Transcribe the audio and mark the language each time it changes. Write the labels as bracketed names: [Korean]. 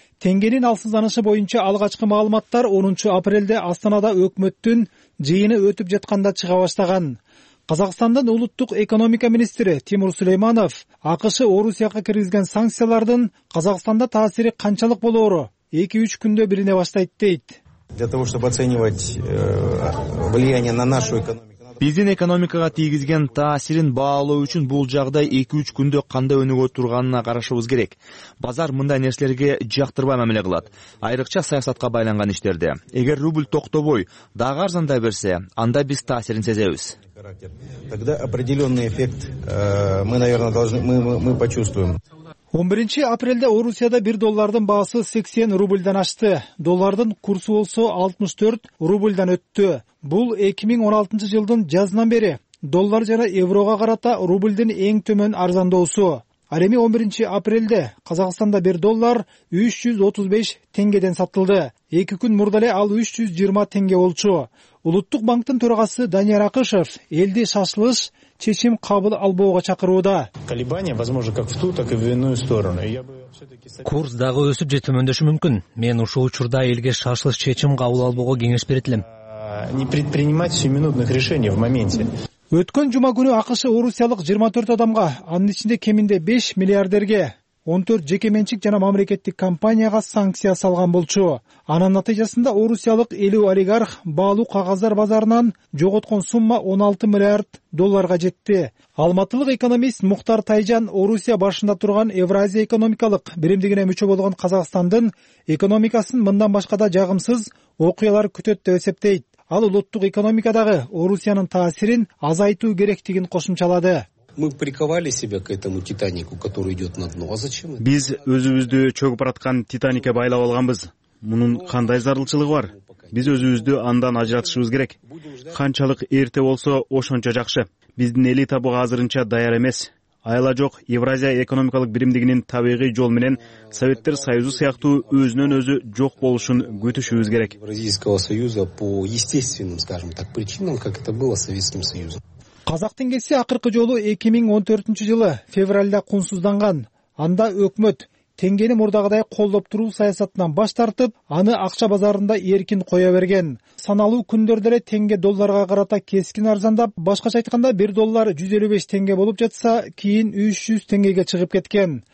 [Kyrgyz] Теңгенин алсызданышы боюнча алгачкы маалыматтар 10 апрелде Астанада өкмөттүн жыйыны өтүп жатканда чыга баштаган. Казакстандын улуттук экономика министри Тимур Сулейманов АКШ Орусияга киргизген санкциялардын Казакстанда таасири канчалык болоору 2-3 күндө билине баштайт дейт. [Russian] Для того, чтобы оценивать влияние на нашу экономику. [Kyrgyz] Биздин экономикага тийгизген таасирин баалоо үчүн бул жагдай 2-3 күндө кандай өнүгө турганына карашыбыз керек. Базар мындай нерселерге жактырбай мамиле кылат, айрыкча саясатка байланган иштерде. Эгер рубль токтобой, дагы арзандай берсе, анда биз таасирин сезебиз. [Russian] Тогда определенный эффект мы, наверное, должны почувствуем. [Kyrgyz] 11 апрелде Орусияда 1 доллардын баасы 80 рубльден ашты. Доллардын курсу болсо 64 рубльден өттү. Бул 2016 жылдын жазынан бери доллар жана еврого карата рубльдин эң төмөн арзандоосу. Ал эми 11 апрелде Казакстанда 1 доллар 335 тенгеден сатылды. 2 күн мурда эле ал 320 тенге болчу. Улуттук банктын төрагасы Данияр Акышев элди шашылыш чечим кабыл албоого чакырууда. [Russian] Колебания возможно как в ту, так и в иную сторону. [Kyrgyz] Курс дагы өсүп же төмөндөшү мүмкүн. Мен ушул учурда элге шашылыш чечим кабыл албоого кеңеш беретилем. [Russian] Не предпринимать сиюминутных решений в моменте. [Kyrgyz] Өткөн жума күнү АКШ орусиялык 24 адамга, анын ичинде кеминде 5 миллиардерге, 14 жеке менчик жана мамлекеттик компанияга санкция салган болчу. Анын натыйжасында орусиялык 50 олигарх баалуу кагаздар базарынан жоготкон сумма 16 миллиард долларга жетти. Алматылык экономист Муктар Тайжан Орусия башында турган Евразия экономикалык биримдигине мүчө болгон Казакстандын экономикасын мындан башка да жагымсыз окуялар күтөт деп эсептейт. Ал улуттук экономикадагы Орусиянын таасирин азайтуу керектигин кошумчалады. [Russian] Мы приковали себя к этому Титанику, который идет на дно. А зачем? [Kyrgyz] Биз өзүбүздү чөгүп бараткан Титаника байлап алганбыз. Мунун кандай зарылчылыгы бар? Биз өзүбүздү андан ажыратышыбыз керек. Канчалык эрте болсо, ошончо жакшы. Биздин элита буга азырынча даяр эмес. Айла жок, Евразия экономикалык биримдигинин табигый жол менен Советтер Союзу сыяктуу өзүнөн өзү жок болушун күтүшүбүз керек. [Russian] Евразийского союза по естественным, скажем так, причинам, как это было с Советским Союзом. [Kyrgyz] Казак тенгеси акыркы жолу 2014 жылы февралда кунсузданган. Анда өкмөт тенгени мурдагыдай колдоп туруу саясатынан баш тартып, аны акча базарында эркин кое берген. Саналуу күндөрдө эле тенге долларга карата кескин арзандап, башкача айтканда 1 доллар 155 тенге болуп жатса, кийин 300 тенгеге чыгып кеткен.